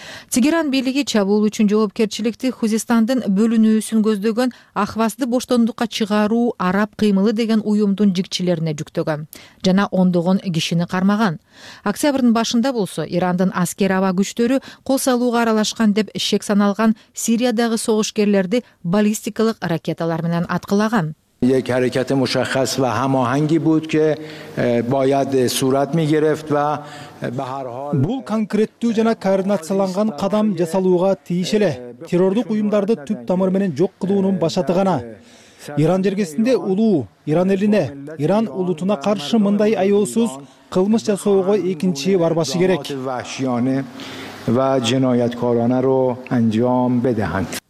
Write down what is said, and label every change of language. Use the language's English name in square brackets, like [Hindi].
[Kyrgyz] Тегеран бийлиги чабуул үчүн жоопкерчиликти Хузистандын бөлүнүүсүн көздөгөн Ахвазды боштондукка чыгаруу араб кыймылы деген уюмдун жикчилерине жүктөгөн жана ондогон кишини кармаган. Октябрдын башында болсо Ирандын аскер аба күчтөрү кол салууга аралашкан деп шек саналган Сириядагы согушкерлерди баллистикалык ракеталар менен аткылаган. [Persian] یک حرکت مشخص و هماهنگی بود که باید صورت می گرفت و به هر حال [Kyrgyz] бул конкреттүү жана координацияланган кадам жасалууга тийиш эле. Террордук уюмдарды түп тамыр менен жок кылуунун башаты гана. Иран жергесинде улуу Иран элине, Иран улутуна каршы мындай аёосуз кылмыш жасоого экинчи барбашы керек. [Tajik] Вашиёне ва жинояткорона ро анжам бедеханд.